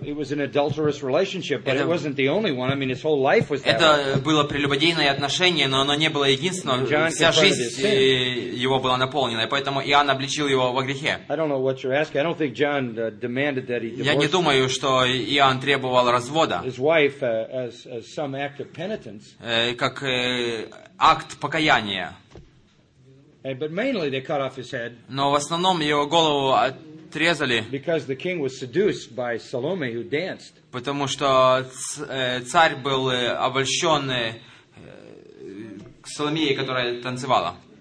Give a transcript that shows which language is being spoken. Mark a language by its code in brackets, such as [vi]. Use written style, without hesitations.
[en] It was an adulterous relationship, but it wasn't the only one. I mean, his whole life was. [ru] Это было прелюбодейное отношение, но оно не было единственным. Вся жизнь его была наполнена, и поэтому Иоанн обличил его во грехе. [en] I don't know what you're asking. I don't think John demanded that he. [ru] Я не думаю, что Иоанн требовал развода. [en] His wife as some act of penitence. [ru] Как акт покаяния. [en] But mainly they cut off his head. [ru] Но в основном его голову. [en] Because the king was seduced by Salome, who danced. [ru] Потому что царь был обольщен Соломеей, которая танцевала.